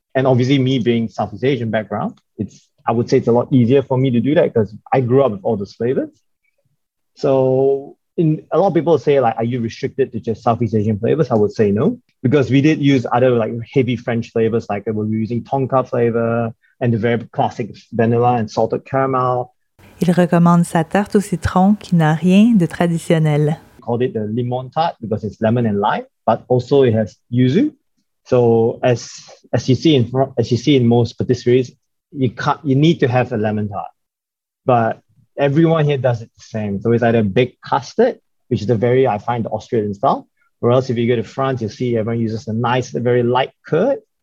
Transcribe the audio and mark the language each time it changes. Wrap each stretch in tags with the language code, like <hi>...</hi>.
<en>And obviously me being Southeast Asian background, I would say it's a lot easier for me to do that because I grew up with all those flavors. So a lot of people say, like, are you restricted to just Southeast Asian flavors? I would say no, because we did use other like heavy French flavors, like we were using tonka flavor and the very classic vanilla and salted caramel.</en> <fr>Il recommande sa tarte au citron qui n'a rien de traditionnel.</fr> <en>Called it the limon tart because it's lemon and lime, but also it has yuzu. So as you see in most patisseries, you need to have a lemon tart, but everyone here does it the same. So it's either baked custard, which is I find the Austrian style, or else if you go to France, you'll see everyone uses a nice, very light curd.</en>